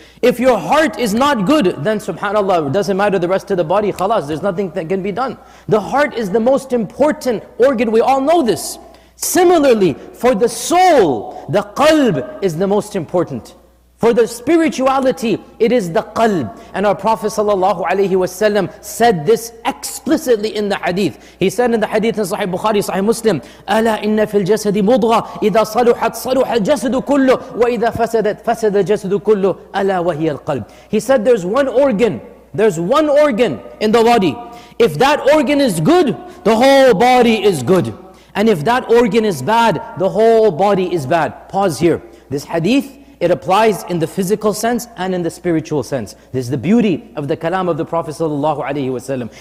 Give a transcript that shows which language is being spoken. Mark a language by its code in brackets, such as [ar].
[en] If your heart is not good, then subhanAllah, it doesn't matter the rest of the body, khalas, there's nothing that can be done. The heart is the most important organ. We all know this. Similarly, for the soul, the qalb is the most important. For the spirituality, it is the qalb. And our Prophet sallallahu alayhi wasallam said this explicitly in the hadith. He said in the hadith in Sahih Bukhari, Sahih Muslim, [ar] أَلَا إِنَّ فِي الْجَسَدِ مُضْغَةٌ إِذَا صَلُحَتْ صَلُحَ الْجَسَدُ كُلُّهُ وَإِذَا فَسَدَتْ فَسَدَ الْجَسَدُ كُلُّهُ أَلَا وَهِيَ الْقَلْبُ [en] He said there's one organ. There's one organ in the body. If that organ is good, the whole body is good. And if that organ is bad, the whole body is bad. Pause here. This hadith it applies in the physical sense and in the spiritual sense. This is the beauty of the kalam of the Prophet sallallahu alaihi wasallam.